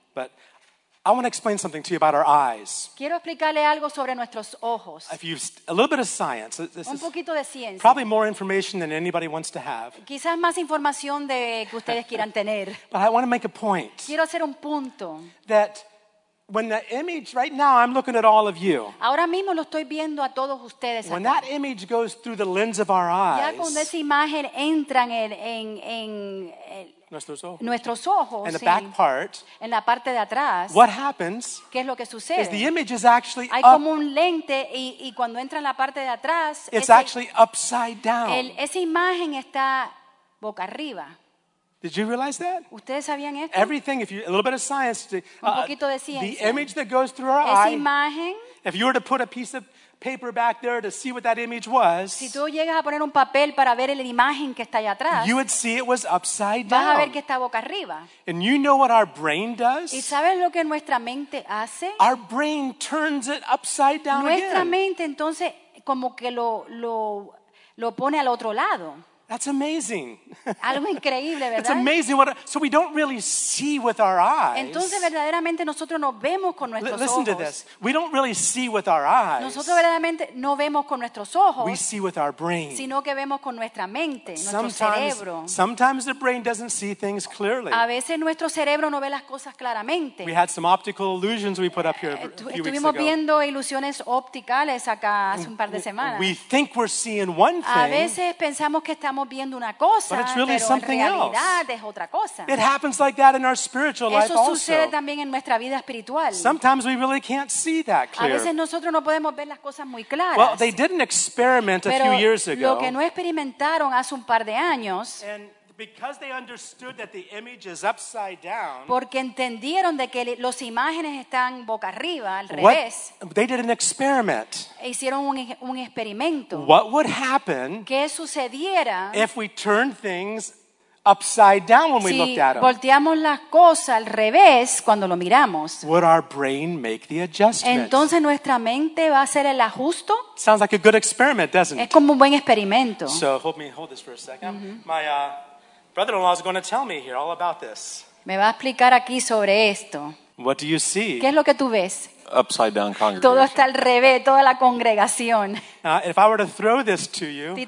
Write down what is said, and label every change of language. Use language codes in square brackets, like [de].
[en] But I want to explain something to you about our eyes. [es] Quiero explicarle algo sobre nuestros ojos. [en] If you a little bit of science. This [es] un poquito de ciencia. [en] Probably more information than anybody wants to have. [es] Quizás más información de que ustedes quieran tener. [en] But I want to make a point. [es] Quiero hacer un punto. [en] That when the image right now I'm looking at all of you. [es] Ahora mismo lo estoy viendo a todos ustedes. [en] When [es] acá. [en] That image goes through the lens of our eyes. [es] Ya cuando esa imagen entra en Nuestros ojos, [en] and the back part, [es] en la parte de atrás, [en] what happens [es] ¿qué es lo que sucede? [en] Is the image is actually [es] hay [en] up. [es] Hay como un lente y cuando entra en la parte de atrás, [en] it's actually upside down. [es] Esa imagen está boca arriba. [en] Did you realize that? [es] ¿Ustedes sabían esto? [en] Everything, if you, a little bit of science, [es] un poquito de ciencia. [en] The image that goes through our [es] esa [en] eye, [es] imagen, [en] if you were to put a piece of paper back there to see what that image was. [es] Si tú llegas a poner un papel para ver la imagen que está allá atrás, [en] you would see it was upside down. [es] Vas a ver que está boca arriba. [en] And you know what our brain does? [es] ¿Y sabes lo que nuestra mente hace? [en] Our brain turns it upside down. [es] Nuestra [en] again. [es] Mente entonces como que lo pone al otro lado. [en] That's amazing. [es] Algo increíble, ¿verdad? [en] It's amazing. So we don't really see with our eyes. [es] Entonces, verdaderamente, nosotros no vemos con nuestros ojos. [en] Listen to this. We don't really see with our eyes. [es] Nosotros verdaderamente no vemos con nuestros ojos. [en] We see with our brain. [es] Sino que vemos con nuestra mente, nuestro cerebro. [en] Sometimes the brain doesn't see things clearly. [es] A veces nuestro cerebro no ve las cosas claramente. [en] We had some optical illusions we put up here a few weeks ago. [es] Estuvimos viendo ilusiones opticales acá hace un par de semanas. [en] We think we're seeing one thing. [es] A veces pensamos que estamos viendo una cosa, [en] but it's really [es] pero [en] something [es] en realidad [en] else. [es] Es otra cosa. [en] It happens like that in our spiritual [es] eso [en] life also. [es] Eso sucede también en nuestra vida espiritual. [en] Sometimes we really can't see that clear. [es] A veces nosotros no podemos ver las cosas muy claras. [en] Well, they did an experiment [es] pero [en] a few years ago. [es] Lo que no experimentaron hace un par de años. [en] And because they understood that the image is upside down. [es] Porque entendieron de que las imágenes están boca arriba al [en] what, [es] revés. [en] They did an experiment. [es] Hicieron un experimento. [en] What would happen? [es] ¿Qué sucediera? [en] If we turn things upside down when we looked at them. [es] Si volteamos las cosas al revés cuando lo miramos. [en] Would our brain make the adjustment? [es] Entonces nuestra mente va a hacer el ajuste. [en] Sounds like a good experiment, doesn't it? [es] Es como un buen experimento. [en] So hold this for a second. Mm-hmm. My brother-in-law is going to tell me here all about this. [es] Me va a explicar aquí sobre esto. [en] What do you see? [es] ¿Qué es lo que tú ves? [en] Upside down congregation. [es] Todo está al revés, toda la congregación. [en] If I were to throw this to you,